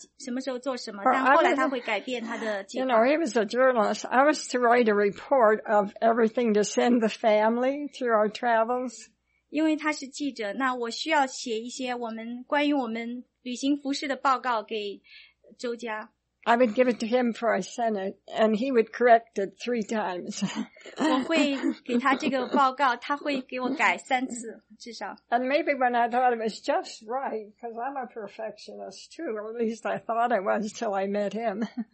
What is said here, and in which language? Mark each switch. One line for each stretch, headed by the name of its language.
Chinese: 另外一个周牧师给我的教导就是他有的时候给我一些日历表让我什么时候做什么，但后来他会改变他的计划。
English: You know, he was a journalist. I was to write a report of everything to send the family through our travels.
Chinese: 因为他是记者，那我需要写一些我们关于我们旅行服饰的报告给周家。
English: I would give it to him for a Senate, and he would correct it three times.
Chinese: 我会给他这个报告，他会给我改三次，至少。
English: And maybe when I thought it was just right, because I'm a perfectionist too, or at least I thought I was till I met him.